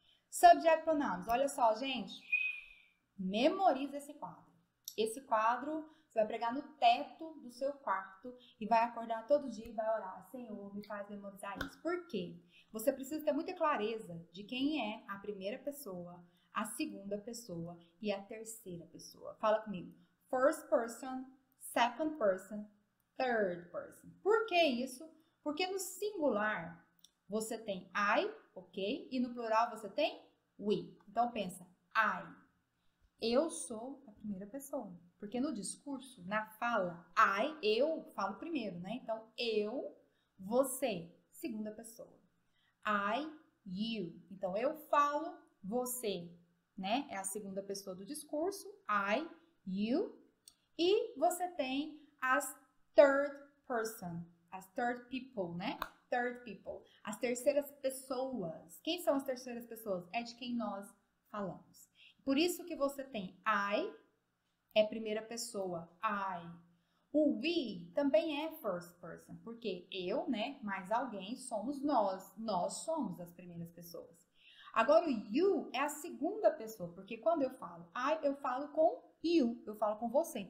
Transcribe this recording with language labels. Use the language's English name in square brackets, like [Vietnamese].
[English] Subject pronouns, [Portuguese] olha só, gente. Memoriza esse quadro. Esse quadro, você vai pregar no teto do seu quarto e vai acordar todo dia e vai orar, Senhor, me faz memorizar isso. Por quê? Você precisa ter muita clareza de quem é a primeira pessoa, a segunda pessoa e a terceira pessoa. Fala comigo. [English] First person, second person, third person. [Portuguese] Por que isso? Porque no singular você tem I, ok? E no plural você tem we. Então pensa, I. Eu sou a primeira pessoa, porque no discurso, na fala, I, eu, falo primeiro, né? Então, eu, você, segunda pessoa. I, you. Então, eu falo, você, né? É a segunda pessoa do discurso, I, you. E você tem as [English] third person, [Portuguese] as [English] third people, [Portuguese] né? [English] Third people, [Portuguese] as terceiras pessoas. Quem são as terceiras pessoas? É de quem nós falamos. Por isso que você tem I, é primeira pessoa, I. O we também é [English] first person, [Portuguese] porque eu, né, mais alguém, somos nós. Nós somos as primeiras pessoas. Agora o you é a segunda pessoa, porque quando eu falo I, eu falo com you, eu falo com você.